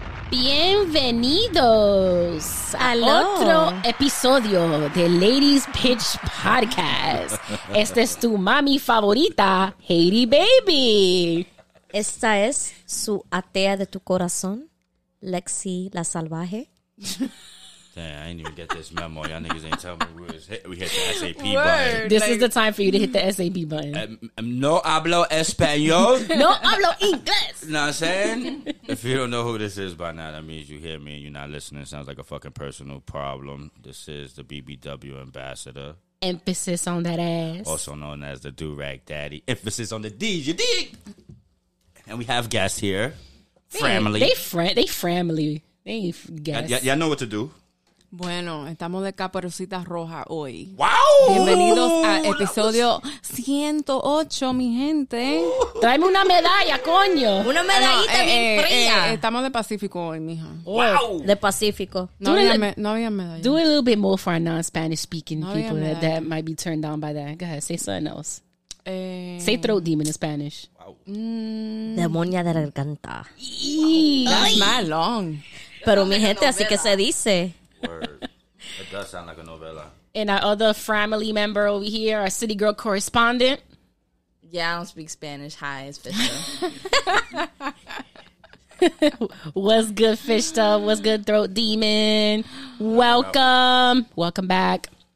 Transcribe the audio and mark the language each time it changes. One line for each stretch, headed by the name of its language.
Spanish: Bienvenidos al otro episodio de Ladies Pitch Podcast. Este es tu mami favorita, Haiti Baby. Esta es su atea de tu corazón, Lexi la Salvaje.
English: Damn, I didn't even get this memo. Y'all niggas ain't telling me we hit the SAP button. This is the time for you to hit the SAP button.
Spanish: No hablo español. No hablo inglés.
English: You know what I'm saying? If you don't know who this is by now, that means you hear me and you're not listening. Sounds like a fucking personal problem. This is the BBW ambassador. Emphasis on that ass. Also known as the Durag Daddy. Emphasis on the D's, you dig? And we have guests here. Family. They family. They guests. Y'all know what to do.
Spanish: Bueno, estamos de Caperucita Roja hoy. ¡Wow! Bienvenidos a episodio 108, mi gente. Tráeme una medalla, coño. Una medallita bien fría. Estamos de Pacífico hoy, mija. ¡Wow! De Pacífico. No había medalla.
English: Do a little bit more for our non-Spanish speaking people that might be turned down by that. Go ahead, say something else. Say throat demon in Spanish. Wow.
Spanish: Demonia de la garganta.
English: That's not long.
Spanish: Pero mi gente, así que se dice.
English: Word. It does sound like a novella. And our other family member over here, our city girl correspondent. Yeah, I don't speak Spanish. Hi, it's Fista. What's good, Fista? What's good, Throat Demon? Welcome. Welcome back.